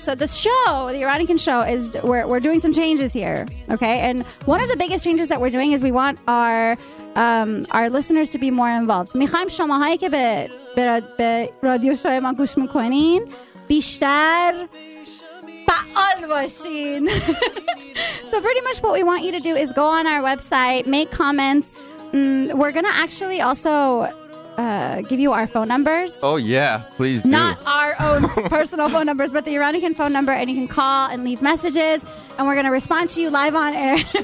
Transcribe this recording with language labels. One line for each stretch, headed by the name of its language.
English: So the show, the Iranikin show, is we're doing some changes here. Okay, and one of the biggest changes that we're doing is we want our listeners to be more involved.
Persian: میخوایم شماهایی که به رادیو شوی ما گوش میکنین بیشتر فعال باشین.
English: So pretty much what we want you to do is go on our website, make comments. We're gonna actually also give you our phone numbers. Oh yeah, please do. Not our own personal phone numbers, but the Iranikin phone number, and you can call and leave messages, and we're gonna respond to you live on air.